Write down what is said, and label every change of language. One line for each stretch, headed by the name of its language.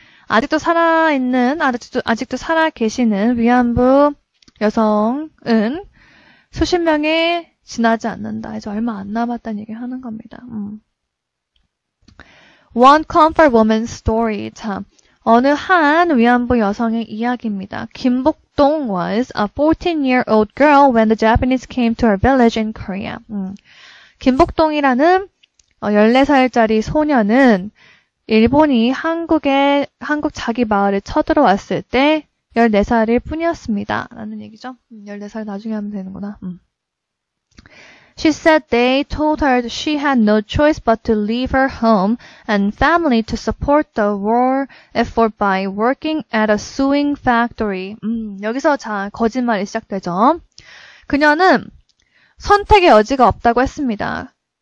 Korean: 아직도 살아있는, 아직도 살아 계시는 위안부 여성은 수십 명의 지나지 않는다. 이제 얼마 안 남았다는 얘기를 하는 겁니다.
English: One Comfort Woman Story.
Korean: 자, 어느 한 위안부 여성의 이야기입니다.
English: 김복동 was a 14-year-old girl when the Japanese came to her village in Korea.
Korean: 김복동이라는 14살짜리 소녀는 일본이 한국 자기 마을에 쳐들어왔을 때 14살일 뿐이었습니다. 라는 얘기죠. 14살 나중에 하면 되는구나.
English: She said they told her that she had no choice but to leave her home and family to support the war effort by working at a sewing factory.
Korean: 여기서 자, 거짓말이 시작되죠. 그녀는 선택의 여지가 없다고 했습니다.